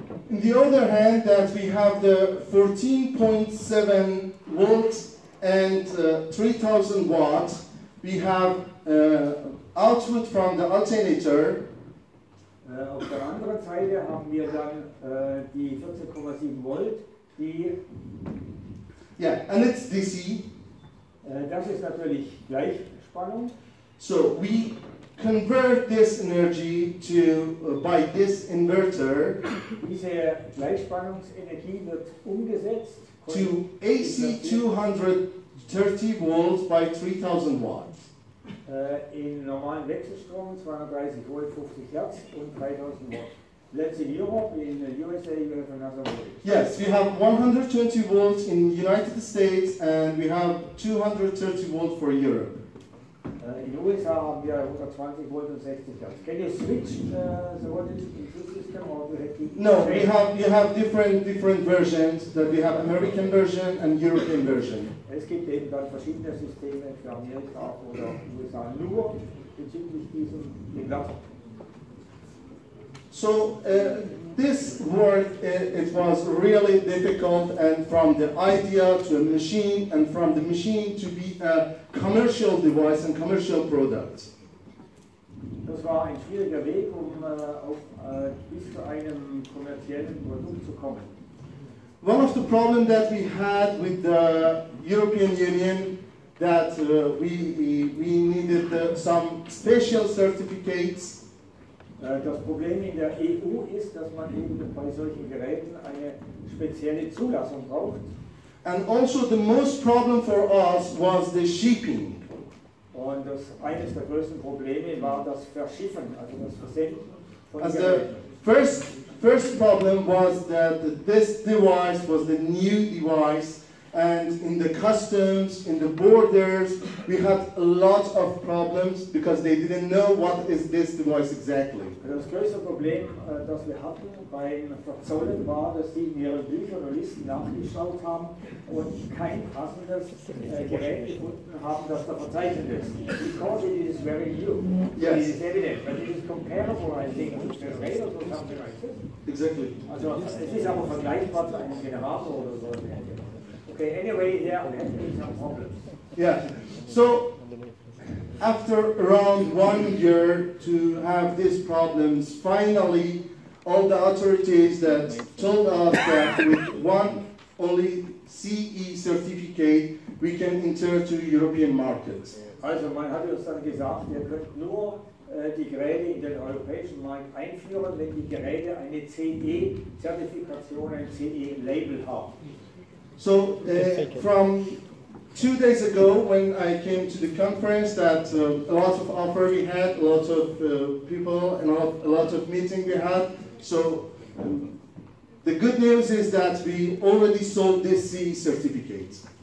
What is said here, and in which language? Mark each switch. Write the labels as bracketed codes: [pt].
[en] On the other hand, that we have the 14.7 volts and 3000 watts, we have output from the alternator. [de] Auf der anderen Seite haben wir dann die 14,7 Volt, die. [en] Yeah, and it's DC. [de] Das ist natürlich Gleichspannung. [en] So we convert this energy to by this inverter. [de] Diese Gleichspannungsenergie wird umgesetzt [en] to AC 230 volts by 3000 watts. [de] In normalen Wechselstrom 230 Volt 50 Hertz und 3000 watts. [en] Let's in Europe, in the USA, we have another voltage. Yes, we have 120 volts in the United States and we have 230 volts for Europe. In the USA, we have 120 volts and 60 volts. Can you switch the voltage in the system or do you have to... No, we have different versions. That we have American version and European version. [de] Es gibt eben dann verschiedene Systeme für Amerika oder USA nur bezüglich diesem Glas. [en] So this work, it was really difficult, and from the idea to a machine, and from the machine to be a commercial device and commercial product. [de] Das war ein schwieriger Weg, um bis zu einem kommerziellen Produkt zu kommen. [en] One of the problems that we had with the European Union, that we needed some special certificates. [de] Das Problem in der EU ist, dass man eben bei solchen Geräten eine spezielle Zulassung braucht. [en] And also the most problem for us was the shipping. [de] Und das eines der größten Probleme war das Verschiffen, also das Versenden von Geräten. [en] The first problem was that this device was the new device, and in the customs, in the borders, we had a lot of problems because they didn't know what is this device exactly. [de] Das größte Problem, das wir hatten beim Verzollen, war, dass sie in ihren Büchern und Listen nachgeschaut haben und kein passendes Gerät gefunden haben, das da verzeichnet ist. [en] Because it is very new. Yes. It is evident, but it is comparable, I think, to the radar or something like this. Exactly. [de] Also, es ist aber vergleichbar zu einem Generator oder so. [en] Okay, anyway, there yeah, are some problems. Yeah, so after around 1 year to have these problems, finally all the authorities that told us that with one only CE certificate, we can enter to European markets. [de] Also man hat uns dann gesagt, ihr könnt nur die Geräte in den europäischen Markt einführen, wenn die Geräte eine CE-Zertifikation, ein CE-Label haben. [en] So from 2 days ago, when I came to the conference, that a lot of offer we had, a lot of people, and a lot of meeting we had. So the good news is that we already sold this CE certificate.